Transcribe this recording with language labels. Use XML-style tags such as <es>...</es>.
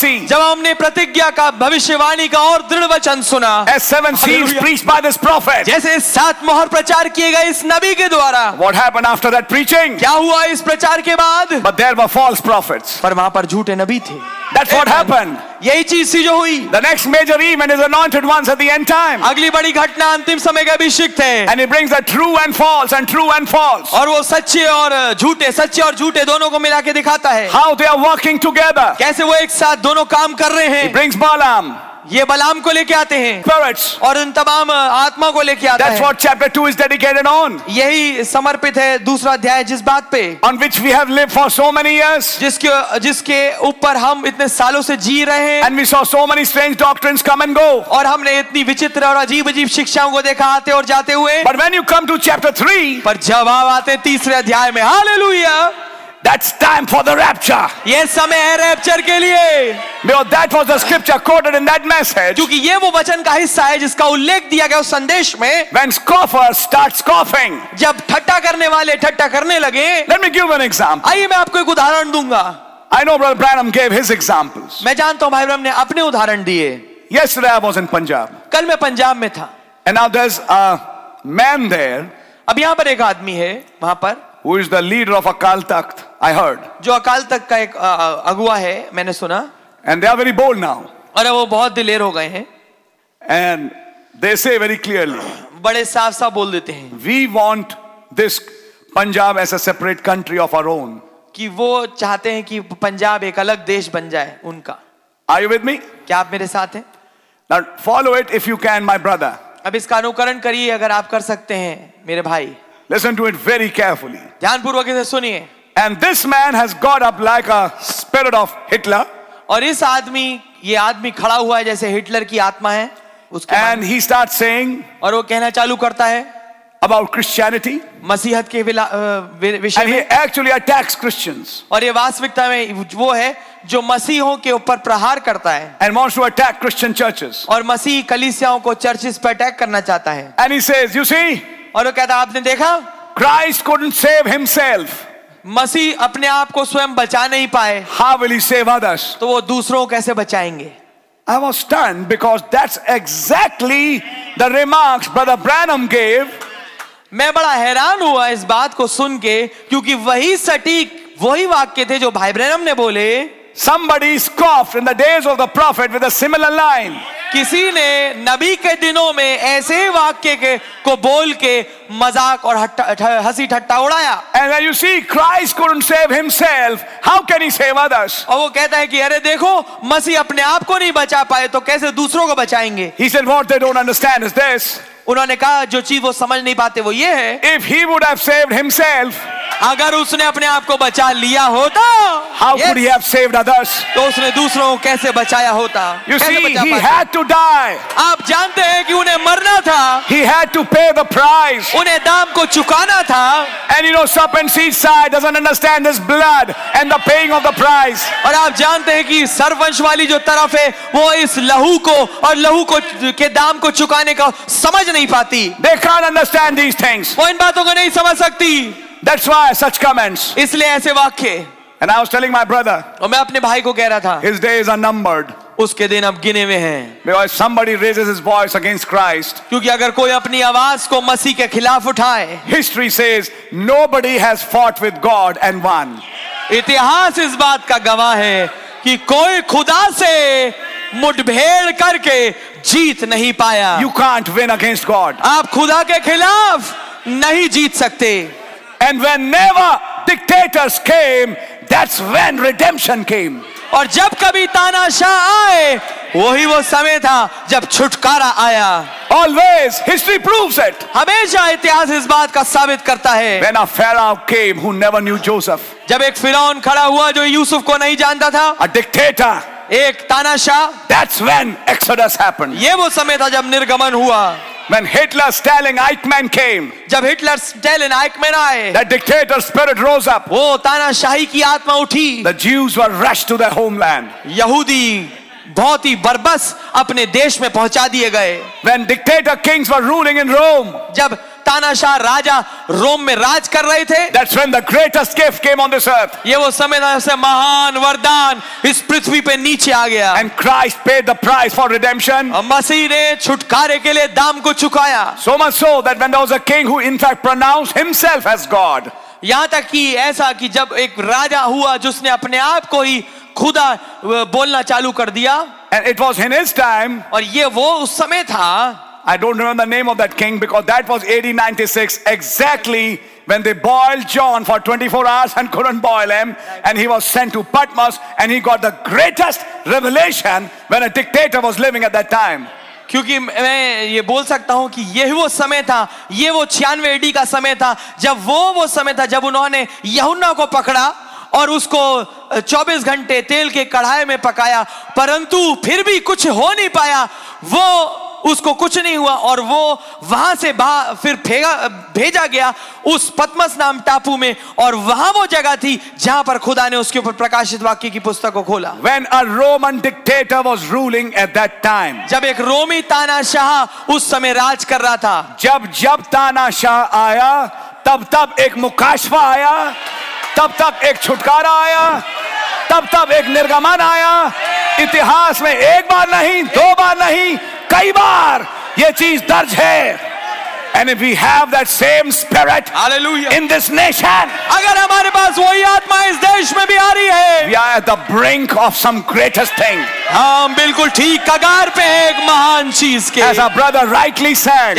<hi>जब हमने प्रतिज्ञा का भविष्यवाणी का और दृढ़ वचन सुना,</hi> <en>as seven seals preached by this prophet,</en> <hi>जैसे सात मोहर प्रचार किए गए इस नबी के द्वारा,</hi> <en>what happened after that preaching?</en> <hi>क्या हुआ इस प्रचार के बाद?</hi> <en>But there were false prophets.</en> <hi>पर वहाँ पर झूठे नबी थे.</hi> <en>That's what happened.</en> <hi>यही चीज सी जो हुई.</hi> <en>The next major event is anointed ones at the end time.</en> <hi>अगली बड़ी घटना अंतिम समय का अभिषिक्त है.</hi> <en>And it brings the true and false.</en> <hi>और वो सच्चे और झूठे दोनों को मिला के दिखाता है.</hi> <en>How they are working together.</en> <hi>कैसे वो एक साथ दोनों काम कर रहे हैं.</hi> <en>It brings Balaam.</en> <hi>ये बलाम को लेके आते हैं.</hi> <en>Spirits.</en> <hi>और इन तमाम आत्मा को लेके आते हैं.</hi> <en>That's what chapter 2 is dedicated on.</en> <hi>यही समर्पित है दूसरा अध्याय जिस बात पे.</hi> <en>On which we have lived for so many years.</en> <hi>जिसके ऊपर हम इतने सालों से जी रहे हैं.</hi> <en>And we saw so many strange doctrines come and go.</en> <hi>और हमने इतनी विचित्र और अजीब अजीब शिक्षाओं को देखा आते और जाते हुए.</hi> <en>But when you come to chapter 3.</en> <hi>पर जब आप आते तीसरे अध्याय में.</hi> <en>Hallelujah. That's time for the rapture.</en> <hi>ये समय है रैप्चर के लिए.</hi> <en>Because that was the scripture quoted in that message.</en> <hi>क्योंकि ये वो वचन का हिस्सा है जिसका उल्लेख दिया गया उस संदेश में.</hi> <en>When scoffers start scoffing.</en> <hi>जब ठट्टा करने वाले ठट्टा करने लगे.</hi> <en>Let me give an example.</en> <hi>आइए मैं आपको एक उदाहरण दूंगा.</hi> <en>I know Brother Branham gave his examples.</en> <hi>मैं जानता हूँ भाई ब्रह्म ने अपने उदाहरण दिए.</hi> <en>Yesterday I was in Punjab.</en> <hi>कल मैं पंजाब में था.</hi> <en>And now there's a man there.</en> <hi>अब यहाँ पर एक आदमी है वहाँ पर.</hi> <en>Who is the leader of Akal Takht? I heard.</en> <hi>जो अकाल तख्त का एक अगुआ है मैंने सुना.</hi> <en>And they are very bold now.</en> <hi>और वो बहुत दिलेर हो गए हैं.</hi> <en>And they say very clearly.</en> <hi>बड़े साफ साफ बोल देते हैं.</hi> <en>We want this Punjab as a separate country of our own.</en> <hi>कि वो चाहते हैं कि पंजाब एक अलग देश बन जाए उनका.</hi> <en>Are you with me?</en> <hi>क्या आप मेरे साथ हैं?</hi> <en>Now follow it if you can, my brother.</en> <hi>अब इसका अनुकरण करिए अगर आप कर सकते हैं मेरे भाई.</hi> <en>Listen to it very carefully.</en> <hi>ध्यान पूर्वक इसे सुनिए.</hi> <en>And this man has got up like a spirit of Hitler.</en> <hi>और इस आदमी ये आदमी खड़ा हुआ है जैसे हिटलर की आत्मा है.</hi> <en>And he starts saying.</en> <hi>और वो कहना चालू करता है.</hi> <en>About Christianity.</en> <hi>मसीहत के विषय में.</hi> <en>And he actually attacks Christians.</en> <hi>और ये वास्तविकता में वो है जो मसीहों के ऊपर प्रहार करता है.</hi> <en>And wants to attack Christian churches.</en> <hi>और मसीह कलीसियाओं को चर्चेस पर अटैक करना चाहता है.</hi> <en>And he says, you see.</en> <hi>और वो कहता है आपने देखा.</hi> <en>Christ couldn't save himself.</en> <hi>मसीह अपने आप को स्वयं बचा नहीं पाए.</hi> <en>How will he save others?</en> <hi>तो वो दूसरों को कैसे बचाएंगे?</hi> <en>I was stunned because that's exactly the remarks Brother Branham gave.</en> <hi>मैं बड़ा हैरान हुआ इस बात को सुन के क्योंकि वही सटीक वही वाक्य थे जो भाई ब्रैनम ने बोले.</hi> <en>Somebody scoffed in the days of the prophet with a similar line.</en> <hi>किसी ने नबी के दिनों में ऐसे वाक्य को बोल के मजाक और हंसी ठट्टा उड़ाया.</hi> <en>And you see, Christ couldn't save himself. How can he save others?</en> <hi>और वो कहता है कि अरे देखो मसीह अपने आप को नहीं बचा पाए तो कैसे दूसरों को बचाएंगे.</hi> <en>He said, what they don't understand is this.</en> <hi>उन्होंने कहा जो चीज वो समझ नहीं पाते वो ये है.</hi> <en>If he would have saved himself,</en> <hi>अगर उसने अपने आप को बचा लिया होता,</hi> <en>how could he have saved others?</en> <hi>तो उसने दूसरों को कैसे बचाया होता?</hi> <en>You see, he had to die.</en> <hi>आप जानते हैं कि उन्हें मरना था.</hi> <en>He had to pay the price.</en> <hi>उन्हें दाम को चुकाना था.</hi> <en>And you know, serpent seed side doesn't understand this blood and the paying of the price.</en> <hi>और आप जानते हैं कि सर्वंश वाली जो तरफ है वो इस लहू को और लहू को के दाम को चुकाने का समझ नहीं पाती.</hi> <en>They can't understand these things.</en> <hi>वो इन बातों को नहीं समझ सकती.</hi> <en>That's why such comments.</en> <hi>इसलिए ऐसे वाक्य.</hi> <en>And I was telling my brother.</en> <hi>और मैं अपने भाई को कह रहा था.</hi> <en>His days are numbered.</en> <hi>उसके दिन अब गिने हुए हैं.</hi> <en>Because somebody raises his voice against Christ.</en> <hi>क्योंकि अगर कोई अपनी आवाज को मसीह के खिलाफ उठाए.</hi> <en>History says nobody has fought with God and won.</en> <hi>इतिहास इस बात का गवाह है कि कोई खुदा से मुठभेड़ करके जीत नहीं पाया.</hi> <en>You can't win against God.</en> <hi>आप खुदा के खिलाफ नहीं जीत सकते.</hi> <en>And whenever dictators came, that's when redemption came.</en> <hi>और जब कभी तानाशाह आए वही वो समय था जब छुटकारा आया.</hi> <en>Always history proves it.</en> <hi>हमेशा इतिहास इस बात का साबित करता है.</hi> <en>When a pharaoh came who never knew Joseph.</en> <hi>जब एक फिरौन खड़ा हुआ जो यूसुफ को नहीं जानता था.</hi> <en>A dictator.</en> <hi>एक तानाशाह.</hi> <en>That's when exodus happened.</en> <hi>ये वो समय था जब निर्गमन हुआ.</hi> <en>When Hitler, Stalin, Eichmann came.</en> <hi>जब हिटलर, स्टालिन, आइकमैन आए.</hi> <en>The dictator spirit rose up.</en> <hi>वो तानाशाही की आत्मा उठी.</hi> <en>The Jews were rushed to their homeland.</en> <hi>यहूदी बहुत ही बरबस अपने देश में पहुंचा दिए गए.</hi> <en>When dictator kings were ruling in Rome.</en> <hi>जब तानाशाह राजा रोम में राज कर रहे थे.</hi> <en>That's when the greatest gift came on this earth.</en> <hi>ये वो समय था जब महान वरदान इस पृथ्वी पे नीचे आ गया.</hi> <en>And Christ paid the price for redemption.</en> <hi>मसीह ने छुटकारे के लिए दाम को चुकाया.</hi> <en>So much so that when there was a king who in fact pronounced himself as God.</en> <hi>यहाँ तक कि ऐसा कि जब एक राजा हुआ जिसने अपने आप को ही खुदा बोलना चालू कर दिया.</hi> <en>And it was in his time.</en> <hi>और ये वो उस समय था.</hi> <en>I don't remember the name of that king because that was AD 96, exactly when they boiled John for 24 hours and couldn't boil him, and he was sent to Patmos and he got the greatest revelation when a dictator was living at that time.</en> <hi>क्योंकि मैं ये बोल सकता हूँ कि यही वो समय था. ये वो 96 AD का समय था जब वो समय था जब उन्होंने यहुन्ना को पकड़ा और उसको 24 घंटे तेल के कढ़ाई में पकाया, परंतु फिर भी कुछ हो नहीं पाया. वो उसको कुछ नहीं हुआ और वो वहां से फिर भेजा गया उस पत्मस नाम टापू में, और वहां वो जगह थी जहां पर खुदा ने उसके ऊपर प्रकाशित वाक्य की पुस्तक को खोला.</hi> <en>When a Roman dictator was ruling at that time,</en> <hi>जब एक रोमी तानाशाह उस समय राज कर रहा था. जब जब तानाशाह आया तब तब एक मुकाशवा आया, तब तब एक छुटकारा आया, तब तब एक निर्गमन आया. इतिहास में एक बार नहीं, दो बार नहीं, कई बार ये चीज दर्ज है.</hi> <en>And if we have that same spirit, hallelujah, in this nation,</en> <hi>अगर हमारे पास वही आत्मा इस देश में भी आ रही है,</hi> <en>we are at the brink of some greatest thing.</en> <hi>हम बिल्कुल ठीक कगार पे है एक महान चीज के.</hi> <en>As our brother rightly said,</en>